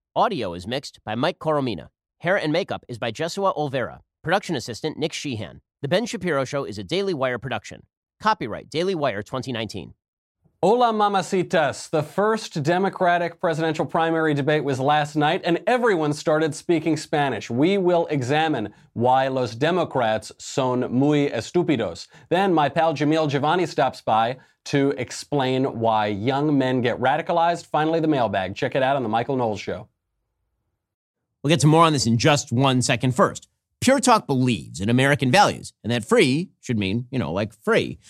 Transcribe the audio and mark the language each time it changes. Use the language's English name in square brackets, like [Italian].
[English] Audio is mixed by Mike Coromina. Hair and makeup is by Jesua Olvera. Production assistant, Nick Sheehan. The Ben Shapiro Show is a Daily Wire production. Copyright Daily Wire 2019. [Spanish] Hola, mamacitas. [English] The first Democratic presidential primary debate was last night, and everyone started speaking Spanish. We will examine why [Spanish] los Democrats son muy estúpidos. [English] Then my pal Jamil Giovanni stops by to explain why young men get radicalized. Finally, the mailbag. Check it out on The Michael Knowles Show. We'll get to more on this in just one second first. Pure Talk believes in American values, and that free should mean, you know, like free.